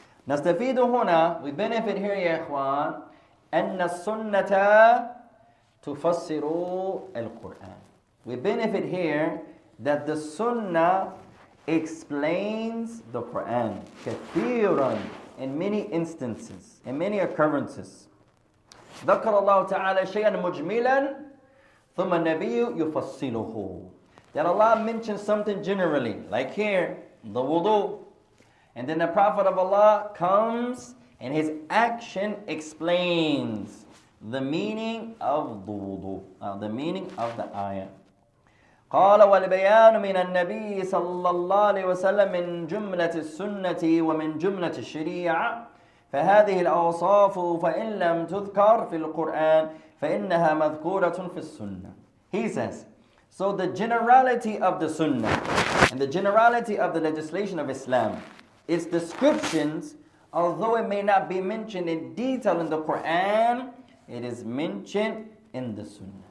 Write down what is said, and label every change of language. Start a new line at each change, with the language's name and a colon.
Arabic: نَسْتَفِيدُ هُنَا
English: We benefit here, Ya Ikhwan,
Arabic: أَنَّ السُنَّةَ تُفَصِّرُ الْقُرْآنِ
English: We benefit here that the Sunnah explains the Quran
Arabic: كثيراً
English: in many instances, in many occurrences.
Arabic: ذكر الله تعالى شيئاً مجملاً ثم النبي يفصله.
English: That Allah mentions something generally, like here, the wudu. And then the Prophet of Allah comes and his action explains the meaning of the wudu, the meaning of the ayah.
Arabic: قال والبيان من النبي صلى الله عليه وسلم من جملة السنة ومن جملة الشريعة فهذه الأوصاف فإن لم تذكر في القرآن فإنها مذكورة في السنة
English: He says, so the generality of the sunnah and the generality of the legislation of Islam, its descriptions, although it may not be mentioned in detail in the Quran, it is mentioned in the sunnah.